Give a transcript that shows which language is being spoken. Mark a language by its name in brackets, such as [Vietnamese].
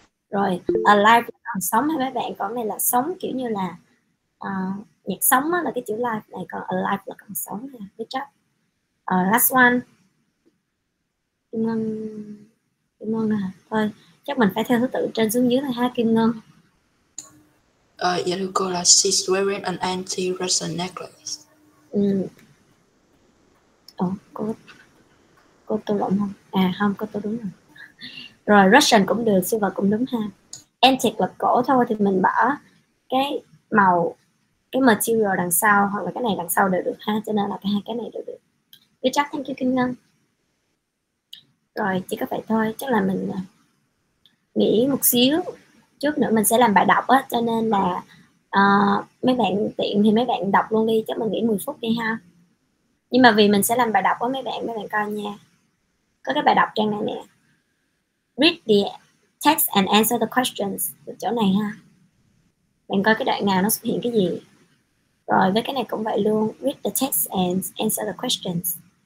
[Vietnamese] Rồi, alive là sống hay mấy bạn? Còn này là sống kiểu như là nhạc sống á, là cái chữ live này, còn alive là còn sống nha, biết chắc. [English] Last one. [Vietnamese] Kim Ngân. Kim Ngân à. Thôi, chắc mình phải theo thứ tự trên xuống dưới thôi ha, Kim Ngân. [English] Yellow girl là she's wearing an anti-Russian necklace. [Vietnamese] Cô tôi lộn không? À không, cô tôi đúng rồi. Rồi, Russian cũng được, silver cũng đúng ha. Antique là cổ thôi, thì mình bỏ cái màu, cái material đằng sau hoặc là cái này đằng sau đều được ha. Cho nên là hai cái này đều được. [English] Good job, thank you, Kim Ngân. [Vietnamese] Rồi, chỉ có vậy thôi. Chắc là mình nghỉ một xíu. Trước nữa mình sẽ làm bài đọc á. Cho nên là mấy bạn tiện thì mấy bạn đọc luôn đi. Chắc mình nghỉ 10 phút đi ha. Nhưng mà vì mình sẽ làm bài đọc á, mấy bạn coi nha. Có cái bài đọc trang này nè. [English] Read the text and answer the questions. [Vietnamese] Ở chỗ này ha. Bạn coi cái đoạn nào nó xuất hiện cái gì. Rồi với cái này cũng vậy luôn. [English] Read the text and answer the questions.